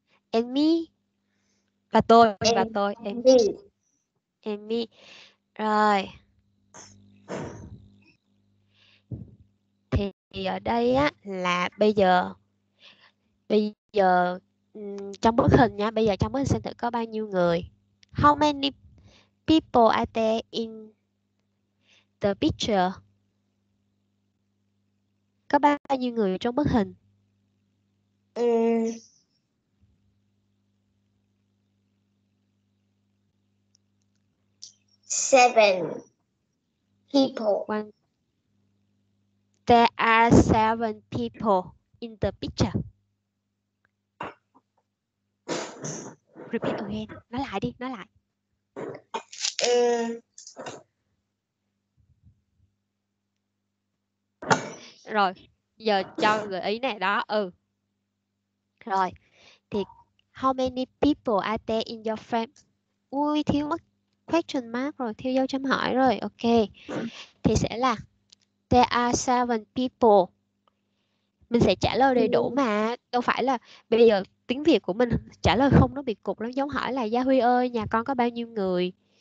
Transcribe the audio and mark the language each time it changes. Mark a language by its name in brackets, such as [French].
[English] And me. [Vietnamese] Và tôi, và tôi. [English] And me. And me. Rồi. [Vietnamese] Thì ở đây á là bây giờ, bây giờ trong bức hình nha, bây giờ trong bức hình xem thử có bao nhiêu người. [English] How many people are there in the picture? [Vietnamese] Có bao nhiêu người trong bức hình? [English] Seven people. There are seven people in the picture. Repeat again. [Vietnamese] Nói lại đi, nói lại. Rồi, giờ cho gợi ý này đó. Ừ. Rồi, thì [English] how many people are there in your family? [Vietnamese] Ui, thiếu mất question mark rồi, thiếu dấu chấm hỏi rồi. Ok. Thì sẽ là [English] there are seven people. [Vietnamese] Mình sẽ trả lời đầy đủ mà. Đâu phải là bây giờ tiếng Việt của mình trả lời không nó bị cục lắm. Giống hỏi là Gia Huy ơi, nhà con có bao nhiêu người?